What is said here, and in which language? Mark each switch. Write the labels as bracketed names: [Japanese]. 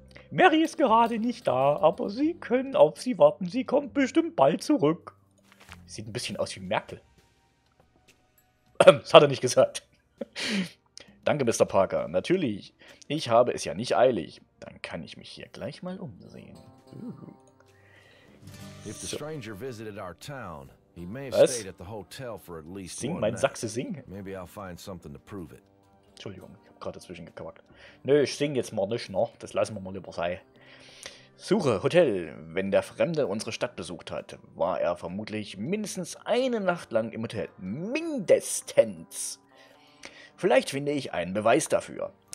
[German] Mary ist gerade nicht da, aber sie können auf sie warten. Sie kommt bestimmt bald zurück. Sieht ein bisschen aus wie Merkel. Das hat er nicht gesagt. Danke, Mr. Parker. Natürlich. Ich habe es ja nicht eilig. Dann kann ich mich hier gleich mal umsehen. [English] If the stranger visited our town, he may have stayed at the hotel for at least one night. [German] Sing, mein Sachse, sing. [English] Maybe I'll find something to prove it. [German] Entschuldigung, ich habe gerade dazwischen gequackt. Nö, ich sing jetzt mal nicht noch. Das lassen wir mal lieber sein. Suche, Hotel. Wenn der Fremde unsere Stadt besucht hat, war er vermutlich mindestens eine Nacht lang im Hotel. Mindestens. Vielleicht finde ich einen Beweis dafür.